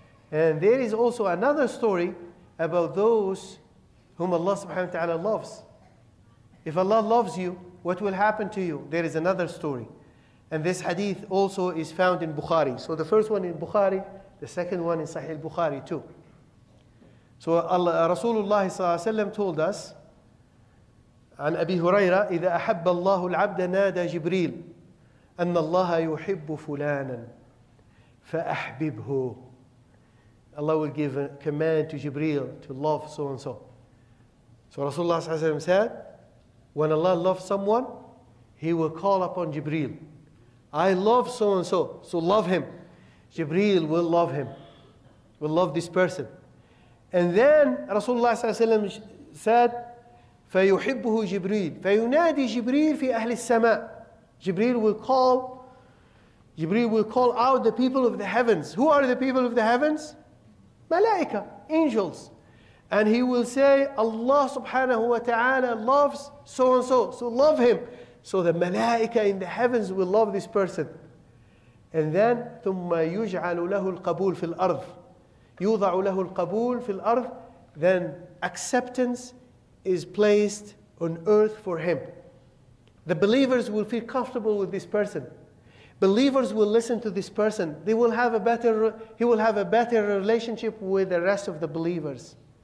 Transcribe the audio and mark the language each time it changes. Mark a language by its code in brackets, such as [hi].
[en] And there is also another story about those whom Allah subhanahu wa ta'ala loves. If Allah loves you, what will happen to you? There is another story. And this hadith also is found in Bukhari. So the first one in Bukhari, the second one in Sahih al-Bukhari too. So Rasulullah told us, [ar] عن أبي هريرة, إذا أحب الله العبد نادى جبريل أن الله يحب فلانا فأحببه. [en] Allah will give a command to Jibreel to love so and so. So Rasulullah said, when Allah loves someone, He will call upon Jibreel. I love so and so, so love him. Jibreel will love him, will love this person. And then Rasulullah said, [ar] فَيُحِبُّهُ جِبْرِيلُ فَيُنَادِي جِبْرِيلُ فِي أَهْلِ السَّمَاءِ. [en] Jibreel will call out the people of the heavens. Who are the people of the heavens? Malaika, angels. And he will say, Allah subhanahu wa ta'ala loves so and so, so love him. So the malaika in the heavens will love this person. And then, [ar] ثُمَّ يُجْعَلُ لَهُ الْقَبُولُ فِي الْأَرْضِ يُوضَعُ لَهُ الْقَبُولُ فِي الْأَرْضِ. [en] Then acceptance is placed on earth for him. The believers will feel comfortable with this person. Believers will listen to this person. He will have a better relationship with the rest of the believers.